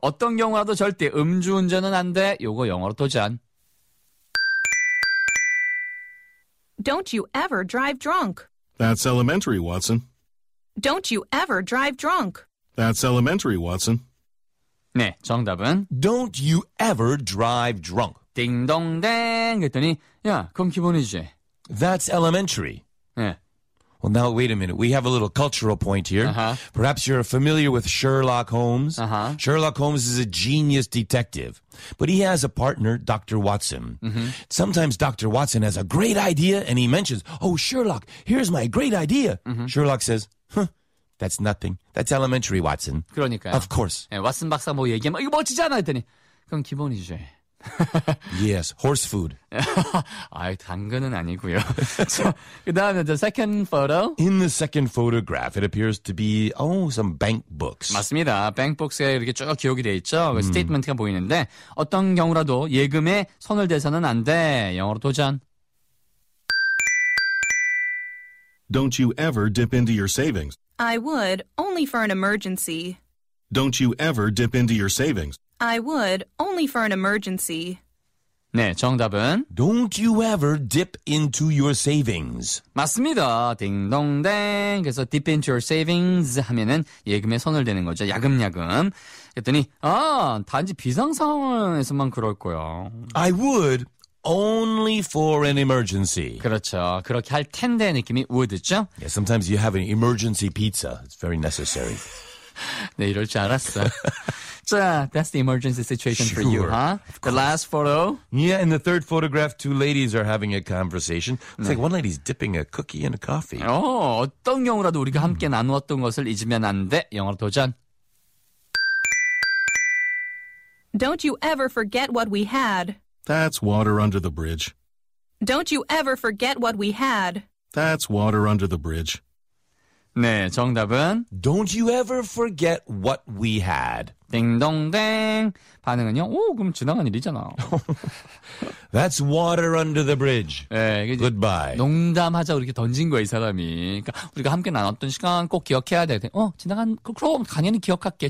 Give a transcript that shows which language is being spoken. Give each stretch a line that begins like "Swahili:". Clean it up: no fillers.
Korean: 어떤 경우라도 절대 음주운전은 안 돼. 요거 영어로 도전.
English: Don't you ever drive drunk. That's elementary, Watson. Don't you ever drive drunk. That's elementary, Watson.
Korean: 네, 정답은?
English: Don't you ever drive drunk.
Korean: 딩동댕 했더니 야, 그럼 기본이지.
English: That's elementary.
Korean: 네.
English: Well, now, wait a minute. We have a little cultural point here. Uh-huh. Perhaps you're familiar with Sherlock Holmes. Uh-huh. Sherlock Holmes is a genius detective. But he has a partner, Dr. Watson. Mm-hmm. Sometimes Dr. Watson has a great idea and he mentions, oh, Sherlock, here's my great idea. Mm-hmm. Sherlock says, that's nothing. That's elementary, Watson.
Korean: 그러니까요.
English: Of course.
Korean: 네, 왓슨 박사 뭐 얘기하면 이거 멋지잖아 했더니 그럼 기본이지.
English: Yes, horse food.
Korean: 아, 당근은 아니고요. 자, 그다음에
English: the second photo. In the second photograph, it appears to be some bank books.
Korean: 맞습니다. Bank books에 이렇게 쭉 기록이 돼 있죠. 그 statement가 보이는데 어떤 경우라도 예금에 손을 대서는 안 돼. 영어로 도전.
English: Don't you ever dip into your savings? I would, only for an emergency. Don't you ever dip into your savings? I would, only for an emergency.
Korean: 네, 정답은
English: Don't you ever dip into your savings.
Korean: 맞습니다. 딩동댕. 그래서
English: dip into your savings
Korean: 하면은 예금에 손을 대는 거죠. 야금야금. 그랬더니 아, 단지 비상상황에서만 그럴 거야.
English: I would. Only for an emergency.
Korean: 그렇죠. 그렇게 할 텐데 느낌이 would죠?
English: Yeah, sometimes you have an emergency pizza. It's very necessary.
Korean: 네, 이럴 줄 알았어. 자,
English: that's the emergency situation sure, for you, huh? The last photo. Yeah, in the third photograph, two ladies are having a conversation. It's like one lady's dipping a cookie in a coffee.
Korean: 어, 어떤 경우라도 우리가 함께 나누었던 것을 잊으면 안 돼. 영어로 도전.
English: Don't you ever forget what we had. That's water under the bridge. Don't you ever forget what we had. That's water under the bridge.
Korean: 네, 정답은
English: Don't you ever forget what we had.
Korean: 딩동댕. 반응은요? 오, 그럼 지나간 일이잖아.
English: That's water under the bridge.
Korean: 네,
English: Goodbye.
Korean: 농담하자 이렇게 던진 거야, 이 사람이. 그러니까 우리가 함께 나눴던 시간 꼭 기억해야 돼. 어, 지나간, 그럼 당연히 기억할게.